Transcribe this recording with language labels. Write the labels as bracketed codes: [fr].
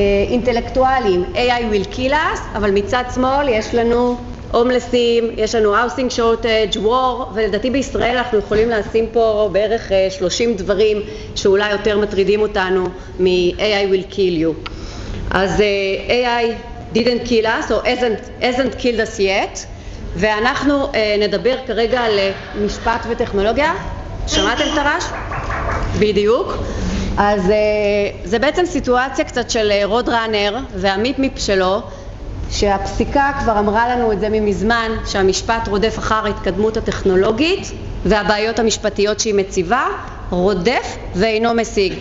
[he] אינטלקטואלים, [en] AI will kill us, [he] אבל מצד שמאל יש לנו הומלסים, יש לנו [en] housing shortage, war, [he] ולדעתי בישראל אנחנו יכולים לשים פה בערך 30 דברים שאולי יותר מטרידים אותנו מ- [en] AI will kill you. [he] אז [en] AI didn't kill us, or hasn't killed us yet, [he] ואנחנו נדבר כרגע על משפט וטכנולוגיה. שמעתם תרש? בדיוק. אז זה בעצם סיטואציה קצת של רוד ראנר והמיפ-מיפ שלו, שהפסיקה כבר אמרה לנו את זה ממזמן, שהמשפט רודף אחר ההתקדמות הטכנולוגית והבעיות המשפטיות שהיא מציבה, רודף ואינו משיג.